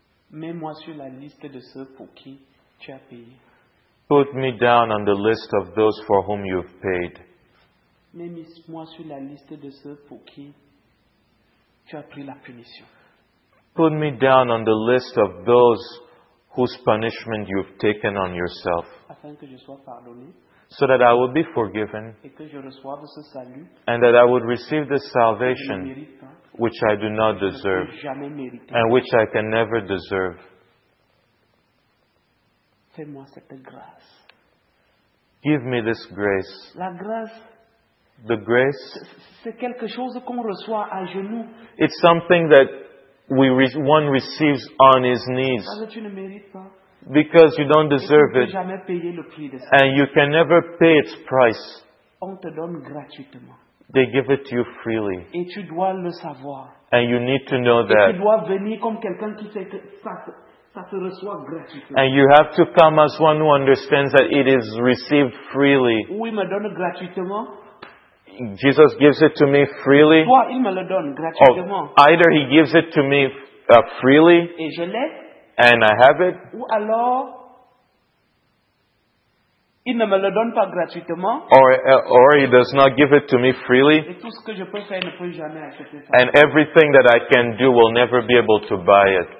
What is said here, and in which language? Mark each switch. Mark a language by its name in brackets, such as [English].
[French] Mets-moi sur la liste de ceux pour qui tu as payé. [English] Put me down on the list of those for whom you've paid. [French] Mets-moi sur la liste de ceux pour qui tu as pris la punition. [English] Put me down on the list of those whose punishment you've taken on yourself. [French] Afin que je sois pardonné. [English] So that I will be forgiven. [French] Et que je reçoive ce salut. [English] And that I would receive the salvation which I do not deserve. And which I can never deserve. [French] Fais-moi cette grâce. [English] Give me this grace. [French] La grâce. [English] The grace, [French] c'est quelque chose qu'on reçoit à genoux. [English] It's something that one receives on his knees. [French] Parce que tu ne mérites pas. [English] Because you don't deserve it. [French] Et tu ne peux jamais payer le prix de ça. [English] And you can never pay its price. [French] On te donne gratuitement. [English] They give it to you freely. [French] Et tu dois le savoir. [English] And you need to know that. [French] Et tu dois venir comme quelqu'un qui sait que ça, [English] And you have to come as one who understands that it is received freely. [French] Oui, me donne gratuitement. [English] Jesus gives it to me freely. [French] Toi, il me le donne gratuitement. [English] Oh, either he gives it to me freely. [French] Et je l'ai. [English] And I have it. [French] Ou alors, il ne me le donne pas gratuitement. [English] Or he does not give it to me freely. [French] Et tout ce que je peux faire ne peut jamais acheter ça. [English] And everything that I can do will never be able to buy it.